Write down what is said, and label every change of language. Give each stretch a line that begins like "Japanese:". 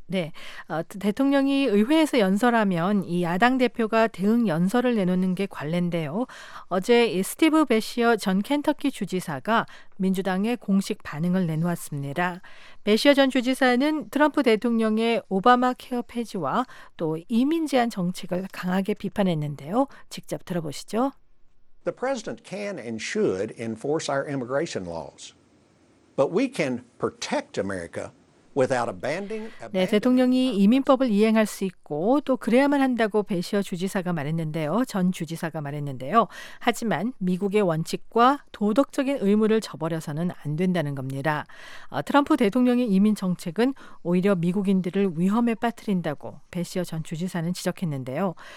Korean: 네, 대통령이 의회에서 연설하면 이 야당 대표가 대응 연설을 내놓는 게 관례인데요. 어제 스티브 베시어 전 켄터키 주지사가 민주당의 공식 반응을 내놓았습니다. 베시어 전 주지사는 트럼프 대통령의 오바마 케어 폐지와 또 이민 제한 정책을 강하게 비판했는데요. 직접 들어보시죠.
English: The president can and should enforce our immigration laws, but we can protect America without abandoning.
Korean: 네, 대통령이 이민법을 이행할 수 있고 또 그래야만 한다고 베시어 주지사가 말했는데요. 전 주지사가 말했는데요. 하지만 미국의 원칙과 도덕적인 의무를 저버려서는 안 된다는 겁니다. 트럼프 대통령의 이민 정책은 오히려 미국인들을 위험에 빠뜨린다고 베시어 전 주지사는 지적했는데요.